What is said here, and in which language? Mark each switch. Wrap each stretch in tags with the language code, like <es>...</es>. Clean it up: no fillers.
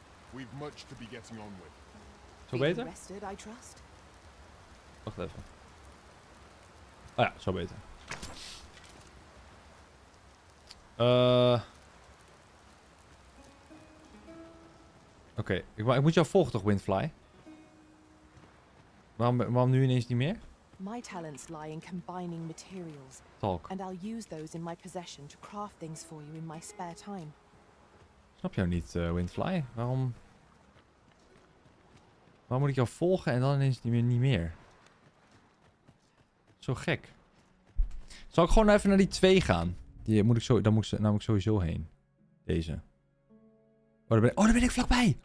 <en>We've much to be getting on with.</en> <nl>Zo beter?</nl> <en>Rested, I trust.</en> <nl>Wacht even. Ah ja, zo beter. Oké, okay. Ik moet jou volgen toch, Windfly? Waarom nu ineens niet meer?</nl> <en>My talents lie in combining materials. Talk. And I'll use those in my possession to craft things for you in my spare time.</en> <nl>Snap jou niet, Windfly? Waarom moet ik jou volgen en dan ineens niet meer? Zo gek. Zal ik gewoon even naar die twee gaan? Daar moet ik sowieso heen. Deze. Daar ben ik vlakbij.</nl>